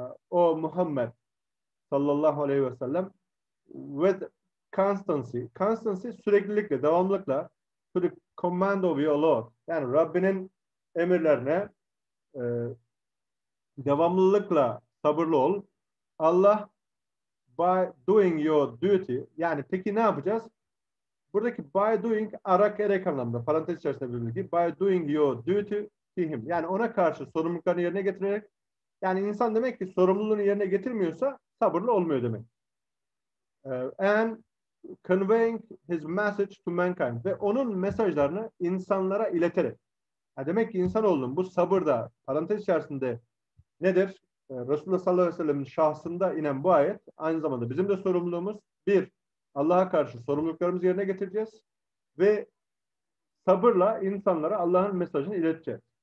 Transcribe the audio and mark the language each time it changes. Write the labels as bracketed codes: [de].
[en] O Muhammed sallallahu aleyhi ve sellem with constancy. Constancy, [tr] süreklilikle, devamlılıkla [en] to the command of your Lord. [tr] Yani Rabbinin emirlerine devamlılıkla sabırlı ol. [en] Allah by doing your duty. [tr] Yani peki ne yapacağız? Buradaki [en] by doing [tr] arak erek anlamında. Parantez içerisinde bir bilgi. [en] By doing your duty to him. [tr] Yani ona karşı sorumluluklarını yerine getirerek. Yani insan demek ki sorumluluğunu yerine getirmiyorsa sabırlı olmuyor demek. [en] And conveying his message to mankind. [tr] Ve onun mesajlarını insanlara ileterek. Ha demek ki insanoğlunun bu sabırda parantez içerisinde nedir? Resulullah sallallahu aleyhi ve sellem'in şahsında inen bu ayet aynı zamanda bizim de sorumluluğumuz. Bir, Allah'a karşı sorumluluklarımızı yerine getireceğiz. Ve sabırla insanlara Allah'ın mesajını ileteceğiz.